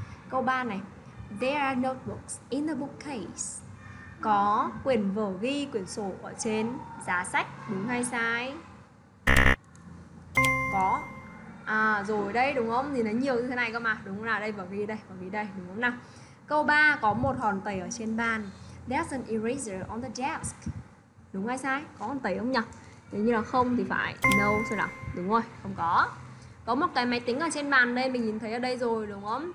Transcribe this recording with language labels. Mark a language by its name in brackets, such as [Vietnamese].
[Vietnamese] Câu 3 này, [English] there are notebooks in the bookcase. [Vietnamese] Có quyển vở ghi, quyển sổ ở trên giá sách, đúng hay sai? Có. À rồi đây, đúng không? Thì nó nhiều như thế này cơ mà. Đúng là đây, bởi vì đây, bởi vì đây, đúng không nào? Câu 3, có một hòn tẩy ở trên bàn. [English] There's an eraser on the desk. [Vietnamese] Đúng hay sai? Có hòn tẩy không nhỉ? Nếu như là không thì phải no thôi nào. Đúng rồi, không có. Có một cái máy tính ở trên bàn đây, mình nhìn thấy ở đây rồi, đúng không?